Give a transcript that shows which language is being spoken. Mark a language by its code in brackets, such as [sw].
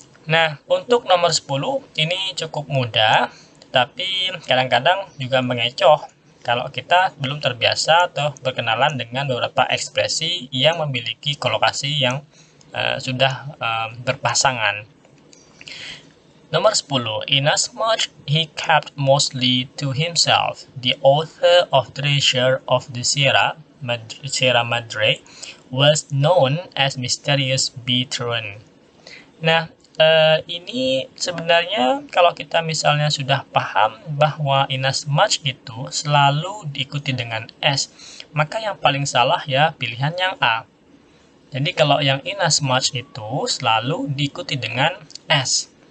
[id] Nah, untuk nomor 10 ini cukup mudah, tapi kadang-kadang juga mengecoh. Kalau kita belum terbiasa atau berkenalan dengan beberapa ekspresi yang memiliki kolokasi yang sudah berpasangan. Nomor 10. [en] Inasmuch he kept mostly to himself, the author of Treasure of the Sierra Madre was known as Mysterious Beatron. [id] Nah, ini sebenarnya kalau kita misalnya sudah paham bahwa inasmuch itu selalu diikuti dengan S, maka yang paling salah ya pilihan yang A. Jadi kalau yang inasmuch itu selalu diikuti dengan S,